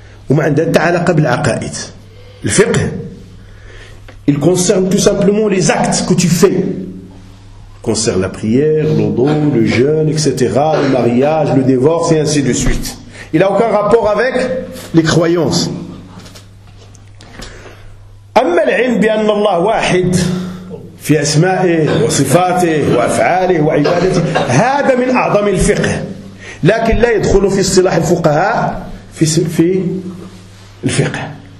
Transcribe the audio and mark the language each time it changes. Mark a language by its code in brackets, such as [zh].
[ar] وما عندها حتى علاقه بالعقائد. [fr] الفقه il concerne tout simplement les actes que tu fais. Il concerne la prière, l'ordre, le jeûne, etc., le mariage, le divorce et ainsi de suite. Il a aucun rapport avec les croyances. [ar] اما العلم بان الله واحد في اسمائه وصفاته وافعاله وعبادته هذا من اعظم الفقه، لكن لا يدخل في اصطلاح الفقهاء في الفقه.